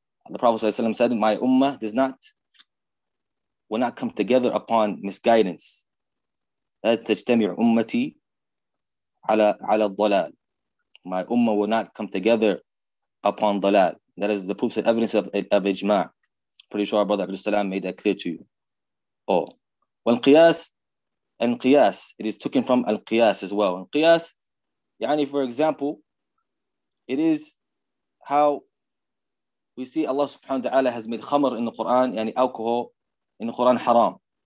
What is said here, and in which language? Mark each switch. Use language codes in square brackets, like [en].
[en] The Prophet ﷺ said, my ummah will not come together upon misguidance. [ar] لا تجتمع أمتي على الضلال. [en] My ummah will not come together upon dalal. That is the proofs and evidence of ijma'. Pretty sure our brother Abdul Salam made that clear to you. Oh. Well, qiyas and qiyas, it is taken from al qiyas as well. And qiyas, yani for example, it is how we see Allah subhanahu wa ta'ala has made khamr in the Quran, yani alcohol in the Quran haram.